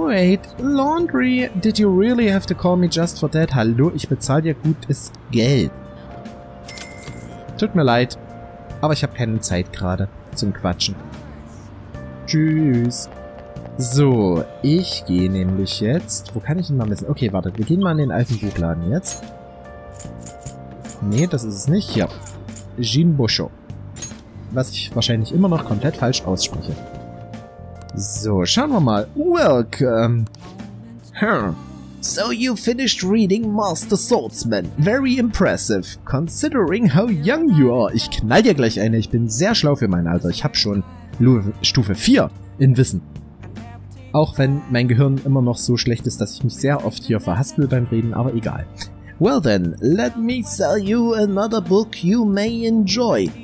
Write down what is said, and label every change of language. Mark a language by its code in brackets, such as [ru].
[en] Wait, Laundry, did you really have to call me just for that? [de] Hallo, ich bezahle dir gutes Geld. Tut mir leid, aber ich habe keine Zeit gerade zum Quatschen. Tschüss. So, ich gehe nämlich jetzt... Wo kann ich denn mal messen? Okay, warte, wir gehen mal in den alten Buchladen jetzt. Nee, das ist es nicht. Hier, Jinbosho. Was ich wahrscheinlich immer noch komplett falsch ausspreche. So, schauen wir mal. [en] Welcome. Huh. So you finished reading Master Swordsman. Very impressive. Considering how young you are. [de] Ich knall dir gleich eine. Ich bin sehr schlau für mein Alter. Ich habe schon Stufe 4 in Wissen. Auch wenn mein Gehirn immer noch so schlecht ist, dass ich mich sehr oft hier verhaspel beim Reden, aber egal. [en] Well then, let me sell you another book you may enjoy.